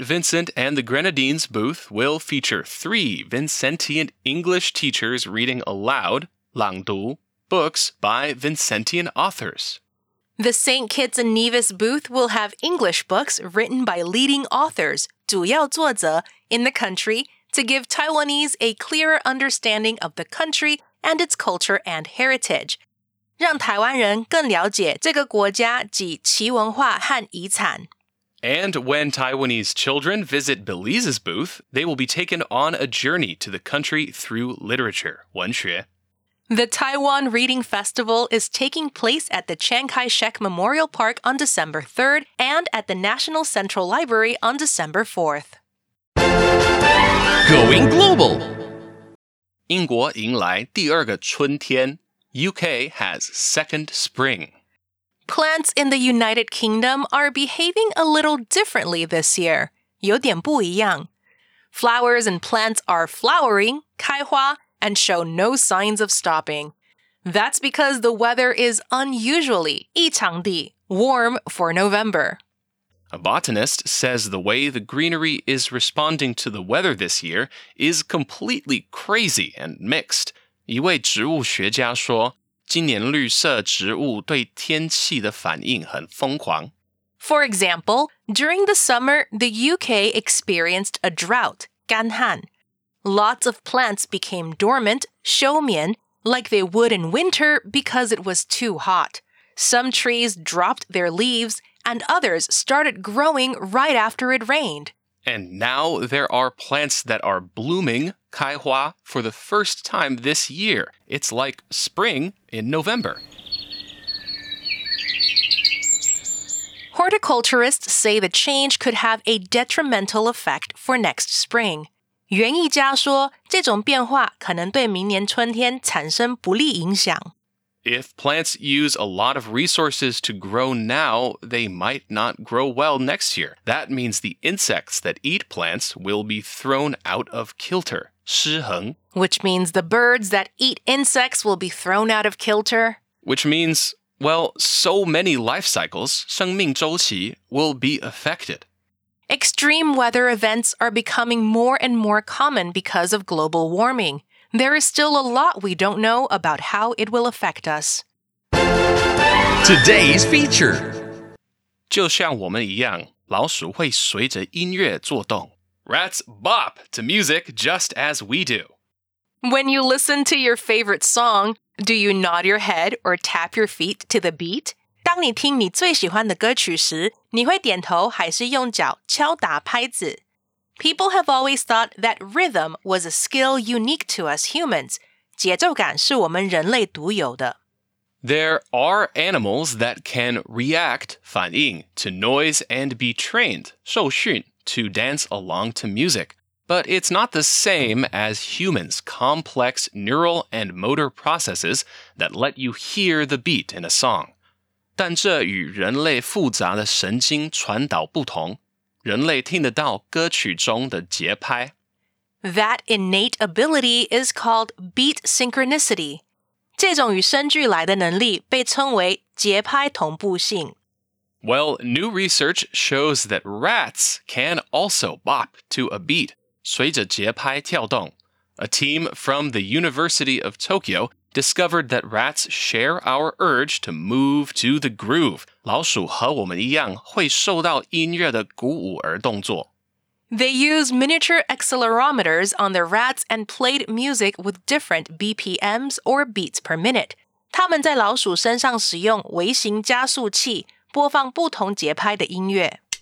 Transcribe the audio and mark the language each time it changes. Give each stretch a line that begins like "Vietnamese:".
English: Vincent and the Grenadines booth will feature three Vincentian English teachers reading aloud,
Chinese: 朗读,
English: books by Vincentian authors. The St. Kitts and Nevis booth will have English books written by leading authors,
Chinese: 主要作者,
English: in the country,to give Taiwanese a clearer understanding of the country and its culture and heritage.
Chinese: 让台湾人更了解这个国家及其文化和遗产。
English: And when Taiwanese children visit Belize's booth, they will be taken on a journey to the country through literature,
Chinese: 文学。
English: The Taiwan Reading Festival is taking place at the Chiang Kai-shek Memorial Park on December 3rd and at the National Central Library on December 4th. Going global!
Chinese: 英国迎来第二个春天,
English: UK has second spring. Plants in the United Kingdom are behaving a little differently this year,
Chinese: 有点不一样。
English: Flowers and plants are flowering,
Chinese: 开花,
English: and show no signs of stopping. That's because the weather is unusually,
Chinese: 异常地,
English: warm for November. A botanist says the way the greenery is responding to the weather this year is completely crazy and mixed.
Chinese: 一位植物学家说,今年绿色植物对天气的反应很疯狂。
English: For example, during the summer, the UK experienced a drought,
Chinese: 干旱.
English: Lots of plants became dormant,
Chinese: 休眠,
English: like they would in winter because it was too hot. Some trees dropped their leaves,and others started growing right after it rained. And now there are plants that are blooming,
Chinese: 开花,
English: for the first time this year. It's like spring in November. Horticulturists say the change could have a detrimental effect for next spring.
Chinese: 园艺家说这种变化可能对明年春天产生不利影响。
English: If plants use a lot of resources to grow now, they might not grow well next year. That means the insects that eat plants will be thrown out of kilter,
Chinese: 失衡,
English: which means the birds that eat insects will be thrown out of kilter. Which means, well, so many life cycles,
Chinese: 生命周期,
English: will be affected. Extreme weather events are becoming more and more common because of global warming. There is still a lot we don't know about how it will affect us. Today's feature.
Chinese: 就像我们一样，老鼠会随着音乐作动。
English: Rats bop to music just as we do. When you listen to your favorite song, do you nod your head or tap your feet to the beat?
Chinese: 当你听你最喜欢的歌曲时，你会点头还是用脚敲打拍子？
English: People have always thought that rhythm was a skill unique to us humans.
Chinese: 节奏感是我们人类独有的。
English: There are animals that can react,
Chinese: 反应,
English: to noise and be trained,
Chinese: 受训,
English: to dance along to music. But it's not the same as humans' complex neural and motor processes that let you hear the beat in a song.
Chinese: 但这与人类复杂的神经传导不同。人类听得到歌曲中的节拍。
English: That innate ability is called beat synchronicity.
Chinese: 这种与生俱来的能力被称为节拍同步性。
English: Well, new research shows that rats can also bop to a beat,
Chinese: 随着节拍跳动。
English: A team from the University of Tokyo discovered that rats share our urge to move to the groove.
Chinese: 老鼠和我们一样会受到音乐的鼓舞而动作。
English: They use miniature accelerometers on their rats and played music with different BPMs or beats per minute.
Chinese: 他们在老鼠身上使用微型加速器播放不同节拍的音乐。